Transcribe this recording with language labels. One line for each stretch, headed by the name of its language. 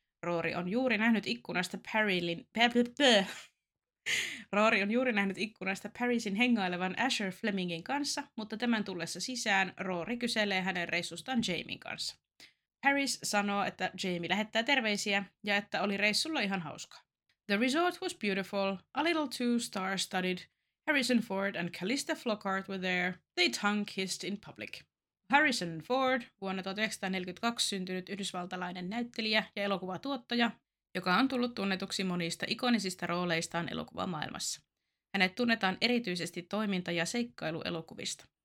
Finnish: Rory on juuri nähnyt ikkunasta Parylin... Rory on juuri nähnyt ikkunasta Parisin hengailevan Asher Flemingin kanssa, mutta tämän tullessa sisään Rory kyselee hänen reissustaan Jamien kanssa. Paris sanoo, että Jamie lähettää terveisiä ja että oli reissulla ihan hauskaa.
English: The resort was beautiful, a little too star-studded. Harrison Ford and Calista Flockhart were there. They tongue-kissed in public.
Finnish: Harrison Ford, vuonna 1942 syntynyt yhdysvaltalainen näyttelijä ja elokuvatuottaja, joka on tullut tunnetuksi monista ikonisista rooleistaan elokuvamaailmassa. Hänet tunnetaan erityisesti toiminta- ja seikkailuelokuvista.